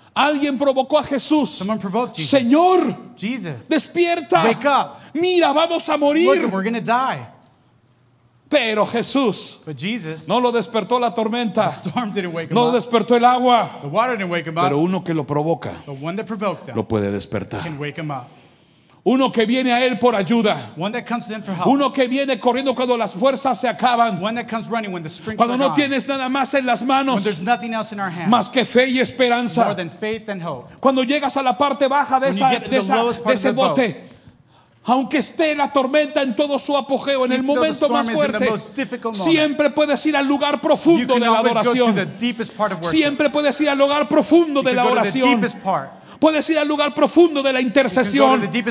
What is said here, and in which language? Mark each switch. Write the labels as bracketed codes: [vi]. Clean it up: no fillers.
[es] Alguien provocó a Jesús. [en] Someone provoked Jesus. [es] Señor, [en] Jesus, [es] despierta. [en] Wake up. [es] Mira, vamos a morir. [en] Look, we're gonna die. [es] Pero Jesús, [en] but Jesus, [es] no lo despertó la tormenta. [en] The storm didn't wake him [es] no [en] up. [es] Lo despertó el agua. [en] The water didn't wake him [es] pero [en] up. [es] Uno que lo provoca, [en] the one that provoked him, [es] lo puede despertar. [en] Can wake him up. [es] Uno que viene a él por ayuda. [en] One that comes to him for help. [es] Uno que viene corriendo cuando las fuerzas se acaban. [en] One that comes running when the strength is gone. [es] Cuando no tienes nada más en las manos. [en] When there's nothing else in our hands. [es] Más que fe y esperanza. [en] More than faith and hope. [es] Cuando llegas a la parte baja de esa, de ese bote. Aunque esté la tormenta en todo su apogeo, en el momento más fuerte, siempre puedes ir al lugar profundo de la adoración. Siempre puedes ir al lugar profundo de la oración. Puedes ir al lugar profundo de la intercesión.